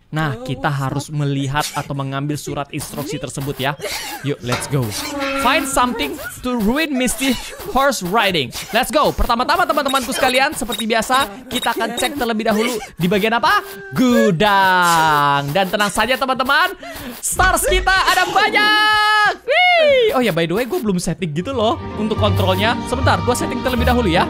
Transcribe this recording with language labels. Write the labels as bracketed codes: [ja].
[id] Nah, kita harus melihat atau mengambil surat instruksi tersebut ya. [en] Yuk, let's go. Find something to ruin Misty horse riding. Let's go. [id] Pertama-tama teman-temanku sekalian, seperti biasa, kita akan cek terlebih dahulu di bagian apa? Gudang. Dan tenang saja teman-teman, stars kita ada banyak. Oh ya, [en] by the way, [id] gue belum setting gitu loh untuk kontrolnya. Sebentar, gue setting terlebih dahulu ya.